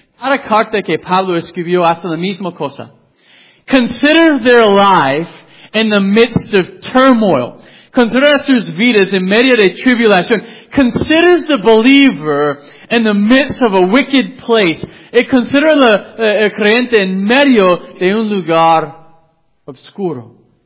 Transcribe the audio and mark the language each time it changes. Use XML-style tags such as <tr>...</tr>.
<es>Cada carta que Pablo escribió hace la misma cosa.</es> <en>Consider their life in the midst of turmoil.</en> <es>Considera sus vidas en medio de tribulación.</es> <en>Consider the believer in the midst of a wicked place. Consider</en> <es>el creyente en medio de un lugar oscuro.</es>